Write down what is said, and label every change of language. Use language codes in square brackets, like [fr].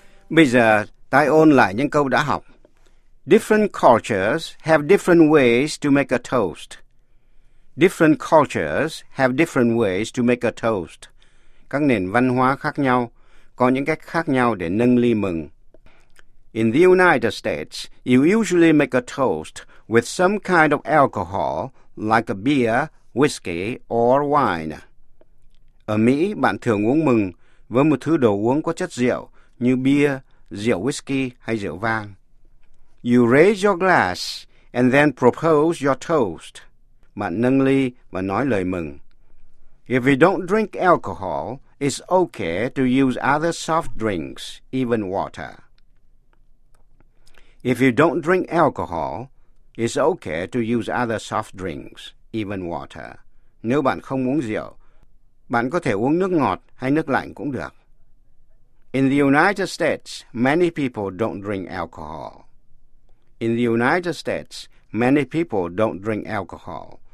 [vi] Bây giờ, tôi ôn lại những câu đã học. [en] Different cultures have different ways to make a toast. Different cultures have different ways to make a toast. [vi] Các nền văn hóa khác nhau có những cách khác nhau để nâng ly mừng. [en] In the United States, you usually make a toast with some kind of alcohol, like a beer, whiskey, or wine. [vi] Ở Mỹ, bạn thường uống mừng với một thứ đồ uống có chất rượu, như bia, rượu whiskey hay rượu vang. [en] You raise your glass and then propose your toast. [vi] Bạn nâng ly và nói lời mừng. [en] If you don't drink alcohol, it's okay to use other soft drinks, even water. If you don't drink alcohol, it's okay to use other soft drinks, even water. [vi] Nếu bạn không uống rượu, bạn có thể uống nước ngọt hay nước lạnh cũng được. [en] In the United States, many people don't drink alcohol. In the United States, many people don't drink alcohol.